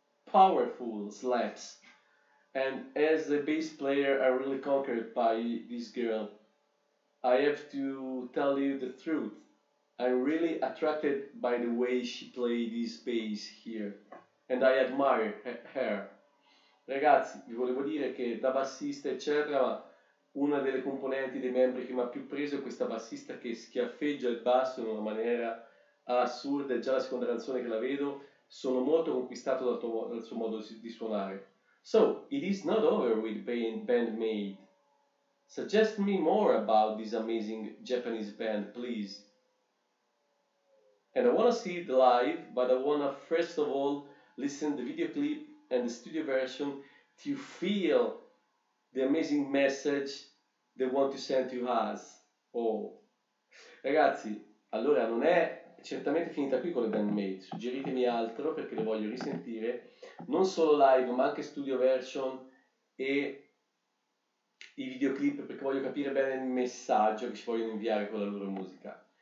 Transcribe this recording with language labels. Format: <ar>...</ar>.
<en>Powerful slaps. And as a bass player, I'm really conquered by this girl. I have to tell you the truth. I'm really attracted by the way she plays this bass here. And I admire her.</en> <it>Ragazzi, vi volevo dire che da bassista, eccetera, una delle componenti dei membri che mi ha più preso è questa bassista che schiaffeggia il basso in una maniera assurda. È già la seconda canzone che la vedo. Sono molto conquistato dal suo modo di suonare.</it> <en>So, it is not over with Band-Maid. Suggest me more about this amazing Japanese band, please. And I want to see it live, but I want to first of all listen to the video clip and the studio version to feel the amazing message they want to send to us. Oh.</en> <it>Ragazzi, allora non è certamente finita qui con le Band-Maid. Suggeritemi altro perché le voglio risentire. Non solo live, ma anche studio version e i videoclip, perché voglio capire bene il messaggio che ci vogliono inviare con la loro musica.</it>